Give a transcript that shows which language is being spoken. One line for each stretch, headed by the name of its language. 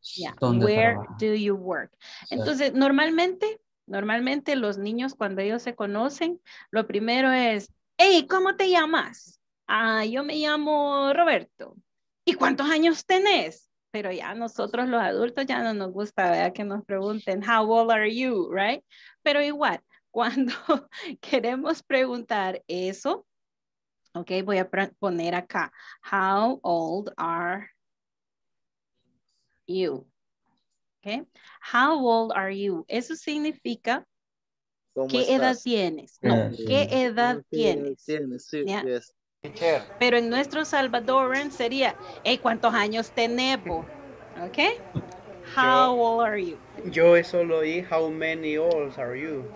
English: Yeah,
Spanish: ¿dónde
English: where
Spanish: trabaja?
English: Do you work?
Spanish: Entonces, sí. normalmente los niños cuando ellos se conocen, lo primero es, hey, ¿cómo te llamas? Ah, yo me llamo Roberto. ¿Y cuántos años tenés? Pero ya nosotros los adultos ya no nos gusta, ¿verdad? Que nos pregunten,
English: how old are you, right?
Spanish: Pero igual, cuando queremos preguntar eso, ok, voy a poner acá,
English: how old are you? Ok, how old are you?
Spanish: Eso significa... ¿Qué edad tienes? No, ¿qué edad tienes?
English: Yeah.
Spanish: Pero en nuestro Salvadoran sería, hey, ¿cuántos años tenemos?
English: ¿Ok? How old are you?
Spanish: Yo eso lo oí,
English: how many old are you?